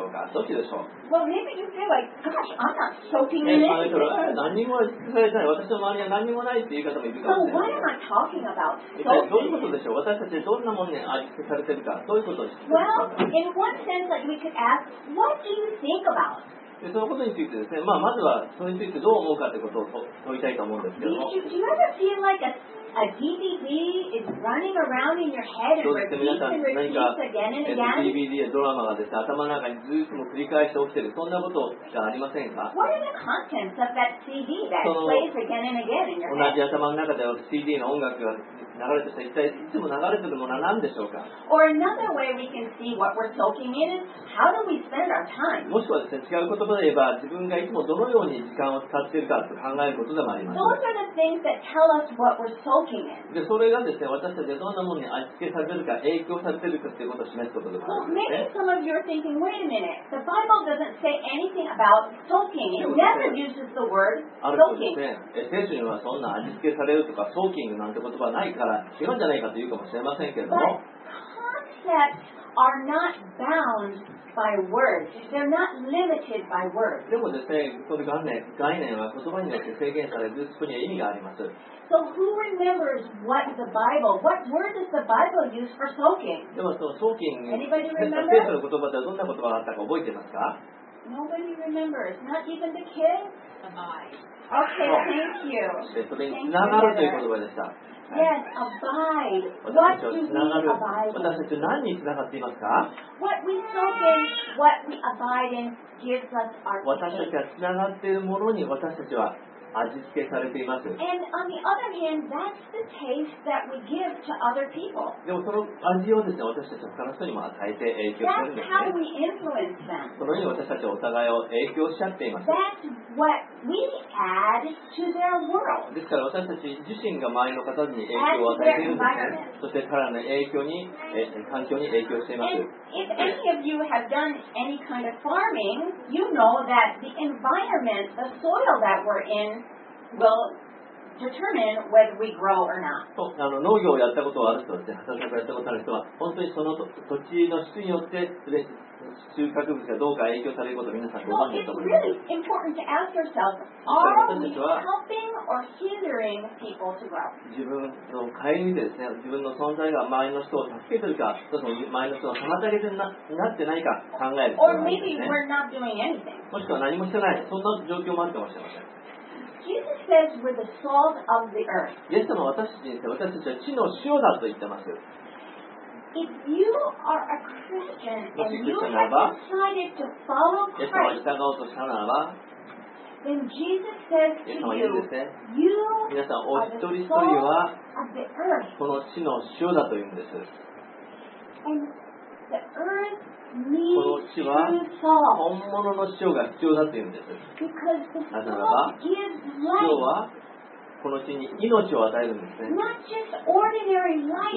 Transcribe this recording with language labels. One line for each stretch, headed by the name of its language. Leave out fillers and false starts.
Japanese: そのことについてですね、まあ、まずはそれについてどう思うかということを問いたいと思うんですけども。
English: Do you ever feel like a DVD is running around in your head and repeats and repeats again and again?
Japanese: DVD やドラマがですね、頭の中にずっと繰り返して起きている、そんなことがありませんか？
English: What are the contents of that CD that plays again and again in your head?
Japanese: 同じ頭の中では CD の音楽が流れてて、一体いつも流れてるものは何でしょうか？
English: Or another way we can see what we're soaking in is how do we spend our time?
Japanese: もしくはですね、違う言葉で言えば、自分がいつもどのように時間を使っているかと考えることでもあります。
English: Those are the things that tell us what we're soaking in.
Japanese: で、それがですね、私たちがどんなものに味付けされるか、影響されているかということを示すことでもあります。
English: So maybe some of you are thinking, wait a minute, the Bible doesn't say anything about soaking. It never uses the word soaking.
Japanese: あるとですね、聖書にはそんな味付けされるとか、ソーキングなんて言葉ないから、違うんじゃないかというかもしれませんけれども。
English: But concepts are not bound by words. They're not limited by words.
Japanese: でもですね、この概念は言葉によって制限されず、そこには意味があります。
English: So who remembers what the Bible, what word does the Bible use for soaking?
Japanese: でもその soaking、聖書の言葉ではどんな言葉があったか覚えてますか？
English: Nobody remembers, not even the kids. Okay, thank you.
Japanese: それにつながるという言葉でした。
English: Yes, abide. What do we abide in?
Japanese: 私たち何に繋がっていますか?
English: What we soak in, what we abide in, gives us our taste.
Japanese: 私たちが繋がっているものに私たちは味付けされています。
English: And on the other hand, that's the taste that we give to other people.
Japanese: でもその味をですね、私たちは他の人にも与えて影響するんですね。
English: That's how we influence them.
Japanese: そのように私たちはお互いを影響し合っています。
English: That's what we add to their world.
Japanese: ですから私たち自身が周りの方に影響を与えているんですね。そして彼らの影響に、環境に影響しています。
English: If any of you have done any kind of farming, you know that the environment, the soil that we're in, will determine whether we grow or not.
Japanese: そう、農業をやったことある人、畑作業をやったことある人は、本当にその土地の質によって収穫物がどうか影響されることを皆さんご存知だと思います。
English: Well, it's really important to ask yourself, are we helping or hindering people to grow?
Japanese: 自分の帰りでですね、自分の存在が周りの人を助けてるか、ちょっと周りの人を妨げてになってないか考える、ね。
English: Or maybe we're not doing anything.
Japanese: もしくは何もしてない、そんな状況もあるかもしれません。
English: Jesus says we're the salt of the earth.
Japanese: イエス様は私たちは地の塩だと言ってます。
English: If you are a Christian and you have decided to follow Christ, then Jesus says to you, you are the salt of the earth.
Japanese: この地の塩だというんです。
English: And the earth needs true salt.
Japanese: この地は本物の塩が必要だというんです。
English: Because the salt gives life.
Japanese: この地に命を与えるんですね。
English: Not just ordinary life,